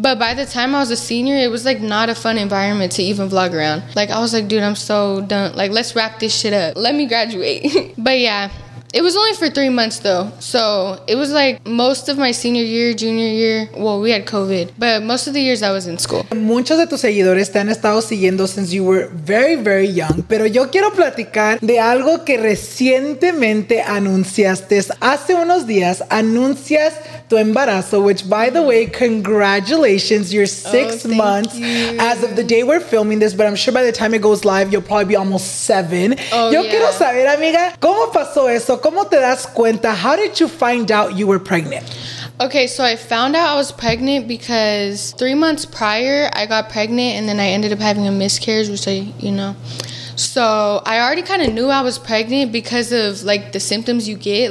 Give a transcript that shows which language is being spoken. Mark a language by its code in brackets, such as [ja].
[en] But by the time I was a senior, it was like not a fun environment to even vlog around. Like, I was like, dude, I'm so done. Like, let's wrap this shit up. Let me graduate. But yeah. It was only for 3 months, though. So it was like most of my senior year, junior year. Well, we had COVID, but most of the years I was in school. [es] Muchos de tus seguidores te han estado siguiendo [en] since you were very, very young. [es] Pero yo quiero platicar de algo que recientemente anunciaste. Hace unos días, anuncias tu embarazo, [en] which, by the way, congratulations. You're six months as of the day we're filming this. But I'm sure by the time it goes live, you'll probably be almost seven. [es] Quiero saber, amiga, ¿cómo pasó eso? ¿Cómo te das cuenta? [en] How did you find out you were pregnant? Okay, so I found out I was pregnant because 3 months prior, I got pregnant and then I ended up having a miscarriage, which I, you know. So I already kind of knew I was pregnant because of like the symptoms you get.